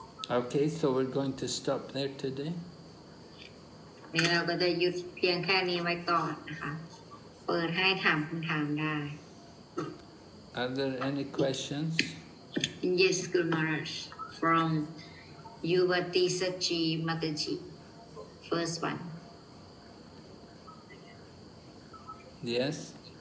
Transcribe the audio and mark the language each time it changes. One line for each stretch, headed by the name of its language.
English: Okay, so we're going to stop there today.
Thai: นี่เราก็จะหยุดเพียงแค่นี้ไว้ก่อนนะคะเปิดให้ถามคุณถามได้
English: Are there any questions? Yes, Guru Maharaj, from Yuvati Sachi Mataji, first one. Yes.